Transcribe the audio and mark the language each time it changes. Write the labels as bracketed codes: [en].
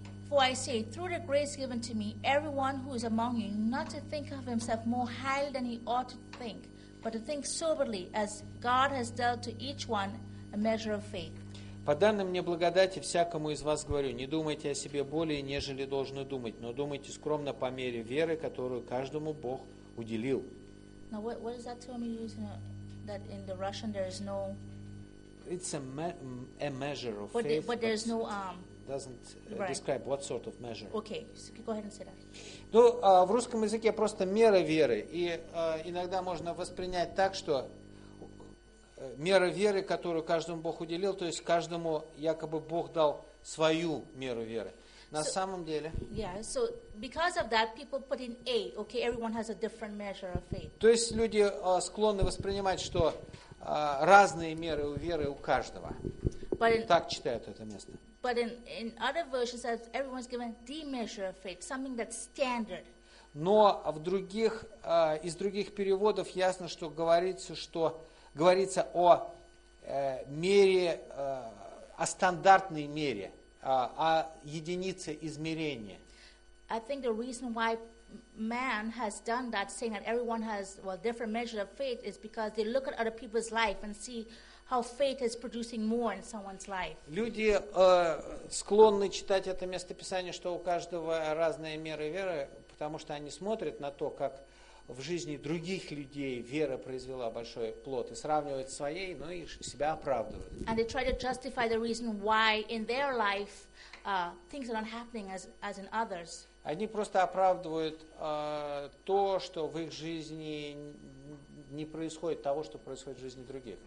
[en] For I say, through the grace given to me, everyone who is among you, not to think of himself more highly than he ought to think, but to think soberly, as God has dealt to each one a measure of faith. [ru] По данным мне благодати всякому из вас говорю, не думайте о себе более, нежели должны думать, но думайте скромно по мере веры, которую каждому Бог уделил. [en] Now, what is that term you use? That in the Russian there is no. It's a measure of but faith. The, but there's no doesn't right. Describe what sort of measure. Okay, so go ahead and say that. [ru] Ну, в русском языке просто мера веры, и иногда можно воспринять так, что мера веры, которую каждому Бог уделил, то есть каждому якобы Бог дал свою меру веры. На so, самом деле. [en] Yeah, so because of that, people put in A. Okay, everyone has a different measure of faith. [ru] То есть люди склонны воспринимать, что разные меры у веры у каждого. Так читают это место. [en] But in other versions, everyone's given the measure of faith, something that's standard. [ru] Но в других из других переводов ясно, что говорится о мере, о стандартной мере, о единице измерения. [en] I think the reason why man has done that, saying that everyone has well different measure of faith, is because they look at other people's life and see how faith is producing more in someone's life. [ru] Люди склонны читать это местописание, что у каждого разные меры веры, потому что они смотрят на то, как в жизни других людей вера произвела большой плод, и сравнивают с своей, ну и себя оправдывают. [en] And they try to justify the reason why in their life things are not happening as in others. [ru] Они просто оправдывают то, что в их жизни не происходит того, что происходит в жизни других.